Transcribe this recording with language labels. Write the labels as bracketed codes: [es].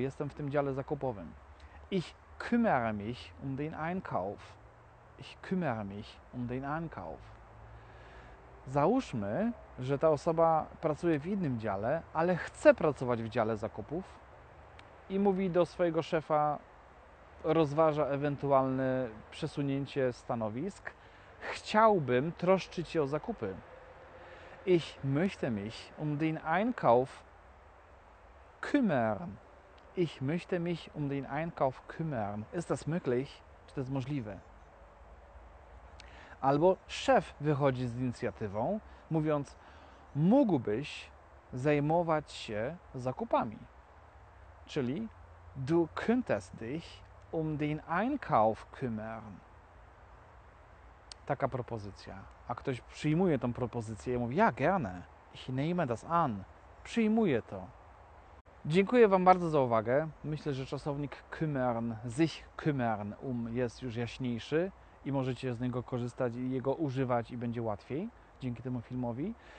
[pl] Jestem w tym dziale zakupowym. [de] Ich kümmere mich um den Einkauf. Ich kümmere mich um den Einkauf. [pl] Załóżmy, że ta osoba pracuje w innym dziale, ale chce pracować w dziale zakupów i mówi do swojego szefa, rozważa ewentualne przesunięcie stanowisk: Chciałbym troszczyć się o zakupy. [de] Ich möchte mich um den Einkauf kümmern. Ich möchte mich um den Einkauf kümmern. Ist das möglich? [pl] Czy to jest możliwe? Albo szef wychodzi z inicjatywą, mówiąc: Mógłbyś zajmować się zakupami. [de] Czyli du könntest dich um den Einkauf kümmern. [pl] Taka propozycja. A ktoś przyjmuje tą propozycję i mówi: [de] Ja, gerne. Ich nehme das an. [pl] Przyjmuję to. Dziękuję wam bardzo za uwagę. Myślę, że czasownik kümmern, sich kümmern, jest już jaśniejszy. I możecie z niego korzystać i jego używać, i będzie łatwiej dzięki temu filmowi.